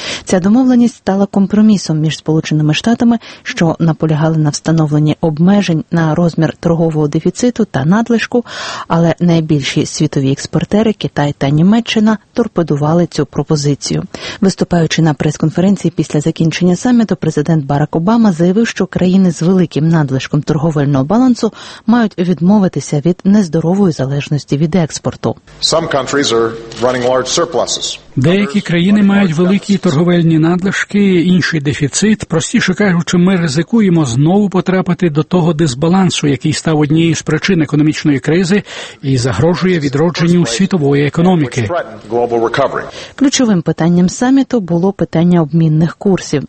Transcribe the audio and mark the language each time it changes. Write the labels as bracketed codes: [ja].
[uk] Ця домовленість стала компромісом між Сполученими Штатами, що наполягали на встановленні обмежень на розмір торгового дефіциту та надлишку, але найбільші світові експортери – Китай та Німеччина – торпедували цю пропозицію. Виступаючи на прес-конференції після закінчення саміту, президент Барак Обама заявив, що країни з великим надлишком торговельного балансу мають відмовитися від нездорової залежності від експорту. [en] Some countries are running large surpluses. [uk] Деякі країни мають великі торговельні надлишки, інші – дефіцит. Простіше кажучи, ми ризикуємо знову потрапити до того дисбалансу, який став однією з причин економічної кризи і загрожує відродженню світової економіки. Ключовим питанням саміту було питання обмінних курсів.